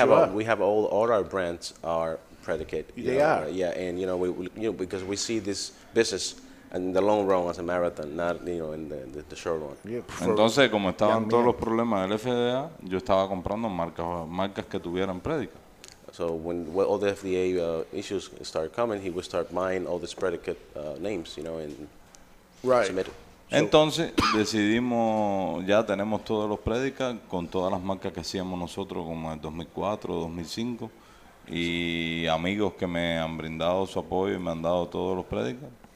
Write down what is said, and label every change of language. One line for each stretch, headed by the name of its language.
English: have a, we have all our brands are predicate. They know? Are. Yeah, and you know we because we see this business in the long run as a marathon, not, you know, in the short run. Yeah,
Spanish: entonces, como estaban todos los problemas del FDA, yo estaba comprando marcas que tuvieran predica.
English: So when all the FDA issues started coming, he would start buying all these predicate names, you know, and right. Submit it. So
Spanish: entonces, decidimos, ya tenemos todos los predicas con todas las marcas que hacíamos nosotros como en 2004, 2005, y amigos que me han brindado su apoyo y me han dado todos los predicas.